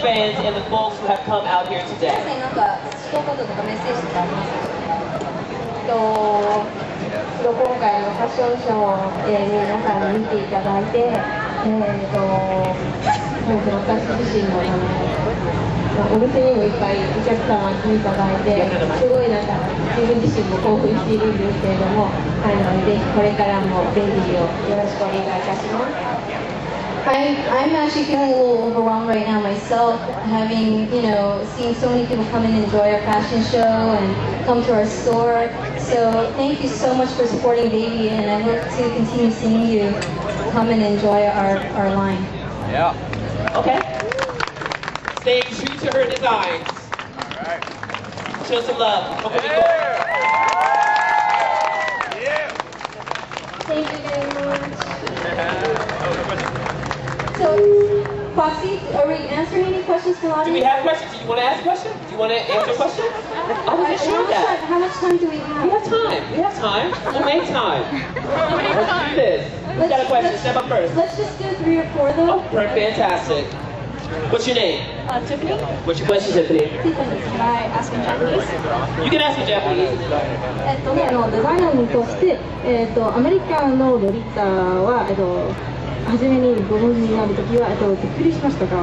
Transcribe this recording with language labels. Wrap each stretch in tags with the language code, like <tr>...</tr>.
<en>fans and the folks who have come out here today?</en> <ja>お店にもいっぱいお客様来ていただいて、すごいなんか自分自身も興奮しているんですけれども、ぜひこれからもベリーをよろしくお願いいたします。</ja> <en>I'm actually feeling a little overwhelmed right now myself, having, seen so many people come and enjoy our fashion show and come to our store. So thank you so much for supporting Baby, and I hope to continue seeing you come and enjoy our line. Yeah. Okay. Staying true to her designs. All right. Show some love. Hope you go. Thank you very much. Yeah. Oh, so, Foxy, are we answering any questions to the audience? Do we have questions? Do you want to ask a question? Do you want to answer a question? I wasn't sure of that. How much time do we have? We have time. We'll make time. Let's do this. Who's got a question? Step up first. Let's just do three or four, though. Oh, right. Fantastic. What's your name? Tiffany. What's your question, Tiffany? Can I ask in Japanese? You can ask in Japanese.</en> <ja>デザイナーにとして、アメリカのロリータは、初めにご本人になるときは、びっくりしましたか？</ja>